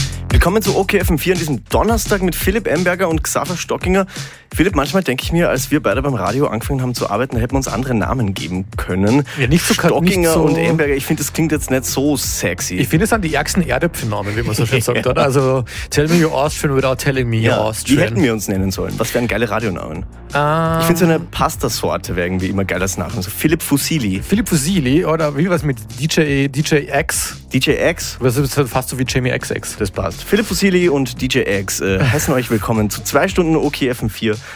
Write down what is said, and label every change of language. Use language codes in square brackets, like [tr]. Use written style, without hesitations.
[de] Willkommen zu OK FM4 an diesem Donnerstag mit Philipp Emberger und Xaver Stockinger. Philipp, manchmal denke ich mir, als wir beide beim Radio angefangen haben zu arbeiten, hätten wir uns andere Namen geben können. Ja, nicht so Stockinger nicht so und Emberger, ich finde, das klingt jetzt nicht so sexy. Ich finde, es sind die ärgsten Erdöpfennamen, wie man so schön sagt, oder? [en] Also, tell me your Austrian without telling me your Austrian. [de] Wie hätten wir uns nennen sollen? Was wären geile Radionamen? Ich finde, so eine Pasta-Sorte wäre irgendwie immer geil als Namen. So Philipp Fusilli. Philipp Fusilli, oder wie war es mit DJ X? DJ X? Das ist fast so wie Jamie XX. Das passt. Philipp Fusilli und DJ X heißen euch willkommen zu 2 Stunden OK FM4.